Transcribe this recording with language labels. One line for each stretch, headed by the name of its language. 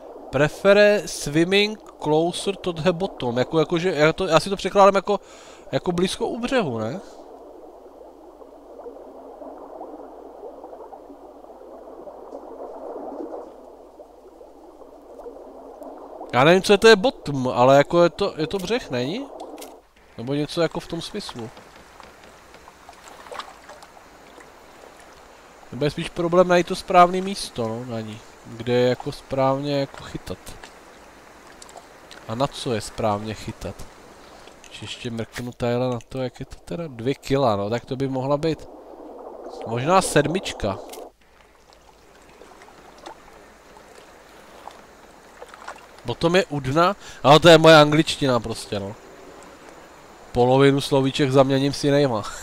English: Prefere swimming closer to the bottom.
Czech: Já si to překládám jako blízko u břehu, ne? Já nevím, co je to je bottom, ale jako je to břeh, není? Nebo něco jako v tom smyslu. Nebo je spíš problém najít to správné místo, no, na ní. Kde je jako správně jako chytat. A na co je správně chytat? Ještě mrknu tadyhle na to, jak je to teda 2 kila, no, tak to by mohla být možná sedmička. Potom je u dna, ale to je moje angličtina prostě, no. Polovinu slovíček zaměním si nejma.